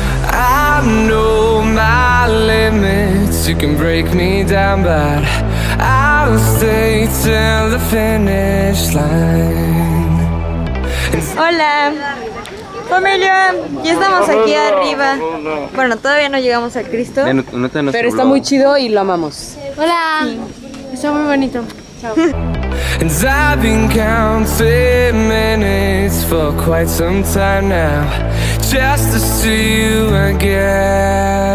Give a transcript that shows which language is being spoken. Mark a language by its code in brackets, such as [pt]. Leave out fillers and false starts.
[en] I know my limits, you can break me down, but I'll stay till the finish line. [es] Hola familia, ya estamos aquí arriba. Bueno, todavía no llegamos al Cristo, pero está muy chido y lo amamos. Hola, sí. Está muy bonito. Chao. [en] I've been counting minutes for quite some time now, just to see you again.